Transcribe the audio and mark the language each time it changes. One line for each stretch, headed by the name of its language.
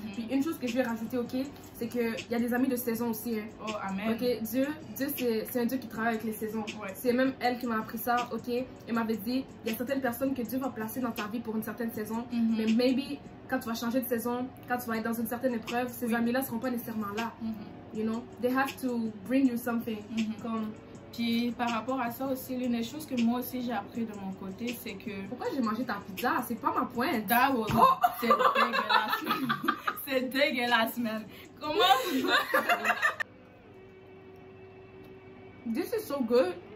French: Puis une chose que je vais rajouter, ok, c'est que il y a des amis de saison aussi. Hein. Oh amen. Ok, Dieu c'est un Dieu qui travaille avec les saisons. Ouais. C'est même elle qui m'a appris ça, ok, et m'avait dit il y a certaines personnes que Dieu va placer dans ta vie pour une certaine saison, mais maybe quand tu vas changer de saison, quand tu vas être dans une certaine épreuve, ces amis-là ne seront pas nécessairement là.
English: You know, they have to bring you something.
French: Comme... Puis par rapport à ça aussi, l'une des choses que moi aussi j'ai appris de mon côté, c'est que... Pourquoi j'ai mangé ta pizza? C'est pas ma pointe.
English: That was...
French: Oh! C'est dégueulasse. C'est dégueulasse, man. Comment...
English: This is so good.